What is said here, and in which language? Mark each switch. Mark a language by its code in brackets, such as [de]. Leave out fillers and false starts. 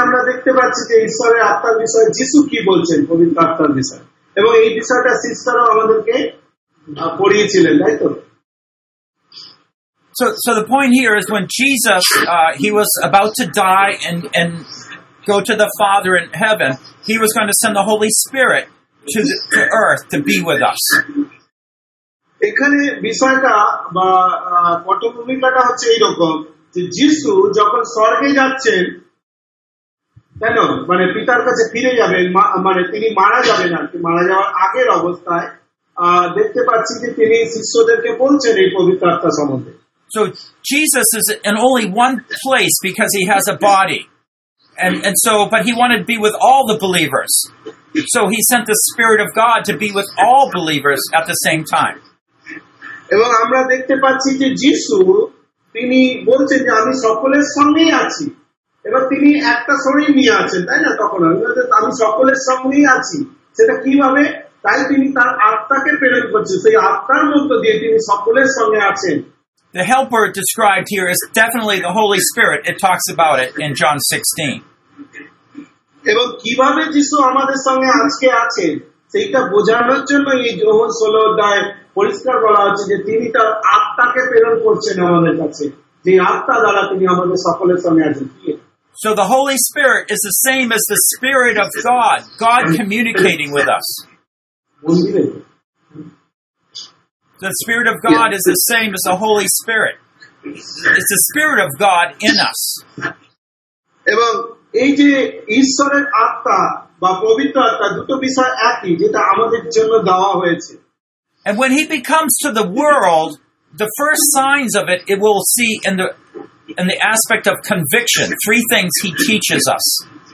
[bn] আমরা দেখতে পাচ্ছি যে ঈশ্বরের আত্মার বিষয়ে যিশু কি বলছেন, পবিত্র আত্মার বিষয়ে, এবং এই বিষয়টা শিষ্যরা আমাদেরকে পড়িয়েছিলেন, তাই তো? [en] So the point here is when Jesus, he was about to die and go to the Father in heaven, he was going to send the Holy Spirit to earth to be with us. [bn] এখানে বিষয়টা বা পটভূমিকাটা হচ্ছে এইরকম যে যিশু যখন স্বর্গে যাচ্ছেন, তাই না, মানে পিতার কাছে ফিরে যাবেন, মানে তিনি মারা যাবেন আর কি, মারা যাওয়ার আগের অবস্থায় দেখতে পাচ্ছি যে তিনি শিষ্যদেরকে বলছেন এই পবিত্র আত্মা সম্বন্ধে। [en] So Jesus is in only one place because he has a body. And so, but he wanted to be with all the believers. So he sent the Spirit of God to be with all believers at the same time. [bn] এবং আমরা দেখতে পাচ্ছি যে যিশু তিনি বলছেন যে আমি সকলের সঙ্গেই আছি। এবার তিনি একটা শরীর নিয়ে আছেন, তাই না, তখন আমি সকলের সঙ্গেই আছি, সেটা কিভাবে, তাই তিনি তার আত্মাকে প্রেরণ করছেন, সেই আত্মার মধ্য দিয়ে তিনি সকলের সঙ্গে আছেন। [en] The helper described here is definitely the Holy Spirit. It talks about it in John 16. [bn] এবং কিভাবে যিশু আমাদের সঙ্গে আজকে আছেন সেটা বোঝানোর জন্য এই যখন 16 অধ্যায় পরিষ্কার বলা হচ্ছে যে তিনি তার আত্মাকে প্রেরণ করছেন আমাদের কাছে, যে আত্মা দ্বারা তিনি আমাদের সকলের সঙ্গে আছেন। [en] So the Holy Spirit is the same as the Spirit of God, God communicating with us. The Spirit of God is the same as the Holy Spirit. It's the Spirit of God in us. [bn] এবং এই যে ঈশ্বরের আত্মা বা পবিত্র আত্মা দুটো বিষয় একই যেটা আমাদের জন্য দেওয়া হয়েছে। [en] And when he becomes to the world, the first signs of it, it will see in the aspect of conviction, three things he teaches us.